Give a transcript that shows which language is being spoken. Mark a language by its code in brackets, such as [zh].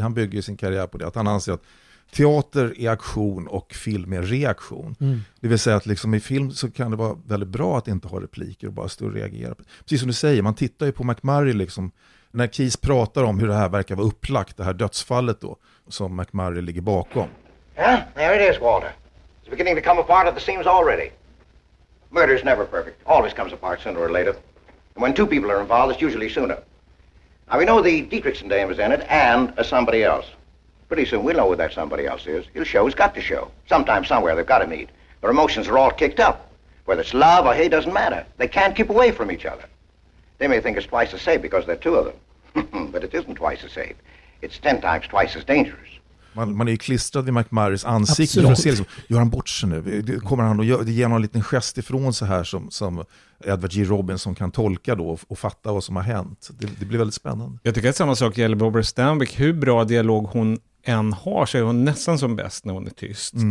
[sv] Han bygger sin karriär på det, att han anser att teater är aktion och film är reaktion. Mm. Det vill säga att liksom i film så kan det vara väldigt bra att inte ha repliker och bara stå och reagera. Precis som du säger, man tittar ju på McMurray liksom, när Keys pratar om hur det här verkar vara upplagt, det här dödsfallet då, som McMurray ligger bakom. [en] Yeah, there it is, Walter. It's beginning to come apart at the seams already. Murder is never perfect. Always comes apart sooner or later. And when two people are involved, it's usually sooner. Now, we know the Dietrichson dame is in it and somebody else. Pretty soon we'll know who that somebody else is. He'll show, he's got to show. Sometime, somewhere, they've got to meet. Their emotions are all kicked up. Whether it's love or hate, doesn't matter. They can't keep away from each other. They may think it's twice as safe because there are two of them. But it isn't twice as safe. It's 10 times twice as dangerous. [sv] Man är ju klistrad vid McMurrays ansikte. Absolut. För att se, liksom, gör han bort sig nu? Kommer han att ge någon liten gest ifrån så här som Edward G. Robinson kan tolka då och fatta vad som har hänt? Det blir väldigt spännande. Jag tycker att samma sak gäller Barbara Stanwyck. Hur bra dialog hon än har, så är hon nästan som bäst när hon är tyst. Mm.